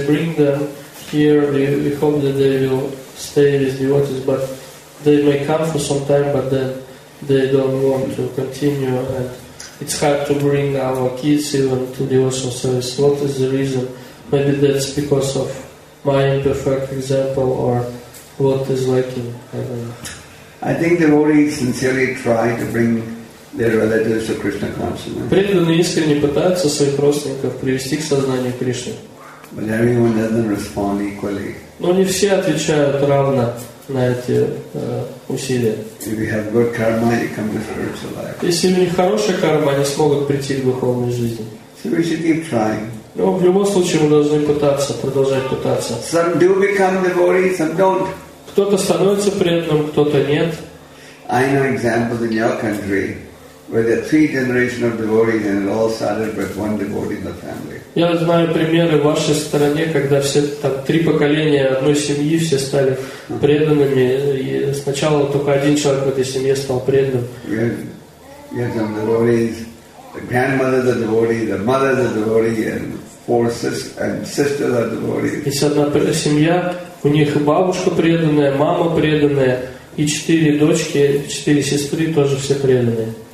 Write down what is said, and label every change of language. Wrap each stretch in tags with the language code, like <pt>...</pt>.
<en>We bring them here, we hope that they will stay with devotees, but they may come for some time, but then they don't want to continue, and it's hard to bring our kids even to devotional service. What is the reason? Maybe that's because of my imperfect example, or what is lacking? I think the devotees sincerely try to bring their relatives to Krishna consciousness.</en> <ru>Преданные искренне пытаются своих родственников привести к сознанию Кришны.</ru> <en>But everyone doesn't respond equally.</en> <ru>Но не все отвечают равно на эти усилия.</ru> <en>If you have good karma, you come to spiritual life.</en> <ru>Если у них хорошая карма, они смогут прийти к духовной жизни.</ru> <en>So we should keep trying.</en> <ru>Но в любом случае мы должны пытаться, продолжать пытаться.</ru> <en>Some do become devotees, some don't.</en> <ru>Кто-то становится преданным, кто-то нет.</ru> <en>I know examples in your country where there are three generations of devotees and it all started with one devotee in the family.</en> <ru>Я знаю примеры в вашей стране, когда все там три поколения одной семьи все стали преданными. И сначала только один человек в этой семье стал преданным.</ru> <en>Yes, some devotees, the grandmothers are devotees, the mothers are devotees, and four sisters are devotees.</en> <ru>Есть одна семья. У них бабушка преданная, мама преданная, и четыре дочки, четыре сестры тоже все преданные.</ru>